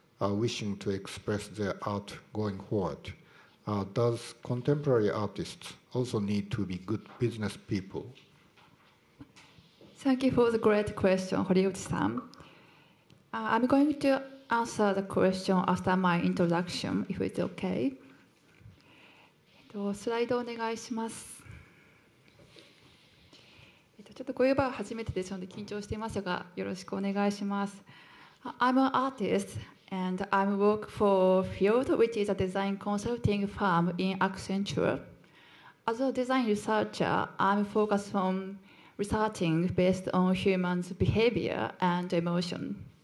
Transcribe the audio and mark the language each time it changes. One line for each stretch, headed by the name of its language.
English: wishing to express their art going forward. Does contemporary artists also need to be good business people? Thank you for the great question, Horiguchi-san. I'm going to answer the question after my introduction, if it's okay.
Japanese: スライドお願いします。ちょっとこういう場は初めてですので緊張していますが、よろしくお願いします。
English: I'm an artist and I work for Field, which is a design consulting firm in Accenture. As a design researcher, I'm focused on researching based on humans' behavior and emotion.